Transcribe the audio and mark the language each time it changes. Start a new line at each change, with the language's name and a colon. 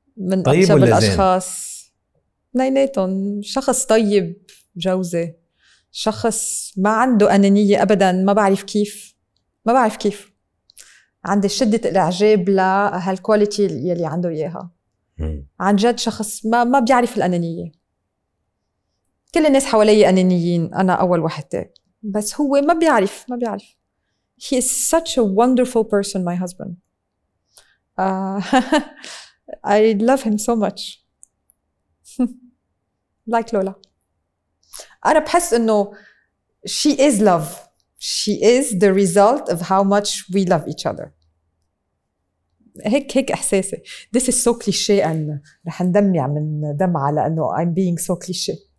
Arabic: من طيب أطيب الأشخاص نيناتهم، شخص طيب جوزي، شخص ما عنده أنانية أبداً، ما بعرف كيف، ما بعرف كيف عندي شدة الإعجاب لهالكواليتي يلي عنده إياها. عن جد شخص ما بيعرف الأنانية، كل الناس حوالي أنانيين، أنا أول واحدة، بس هو ما بيعرف، ما بيعرف.
English: He is such a wonderful person, my husband. I love him so much. Like Lola.
Arabic: أنا بحس إنه
English: she is love. She is the result of how much we love each other.
Arabic: هيك إحساسي.
English: This is so cliché
Arabic: أن رح ندمع من دمعة لأنه
English: I'm being so cliché.